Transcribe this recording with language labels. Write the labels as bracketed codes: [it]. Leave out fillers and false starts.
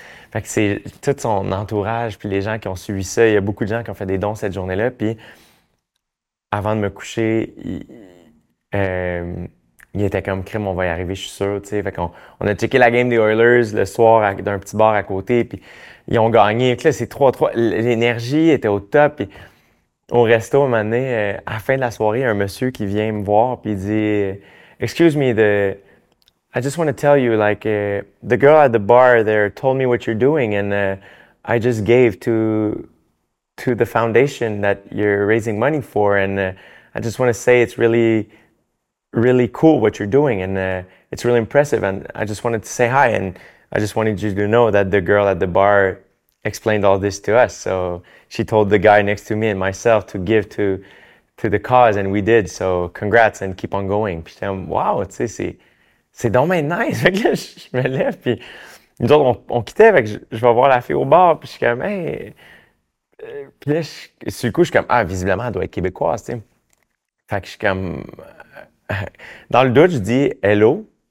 [fr] Fait que c'est tout son entourage, puis les gens qui ont suivi ça. Il y a beaucoup de gens qui ont fait des dons cette journée-là. Puis avant de me coucher, il était comme, crime, on va y arriver, je suis sûr. T'sais. Fait qu'on a checké la game des Oilers le soir d'un petit bar à côté, puis ils ont gagné. Puis là, c'est 3-3. L'énergie était au top. Puis au resto, à un moment donné, à la fin de la soirée, il y a un monsieur qui vient me voir, puis il dit, [en] excuse me, I just want to tell you, the girl at the bar there told me what you're doing, and I just gave to the foundation that you're raising money for, and I just want to say it's really, really cool what you're doing, and it's really impressive, and I just wanted to say hi, and I just wanted you to know that the girl at the bar explained all this to us. So she told the guy next to me and myself to give to the cause, and we did. So congrats and keep on going. [fr] Puis, wow, tu sais, c'est donc bien nice. Fait que là, je me lève, puis nous autres, on quittait, fait que je vais voir la fille au bar, puis je suis comme, hey. Puis là, sur le coup, je suis comme, ah, visiblement, elle doit être québécoise, tu sais. Fait que je suis comme, dans le doute, je dis, hello.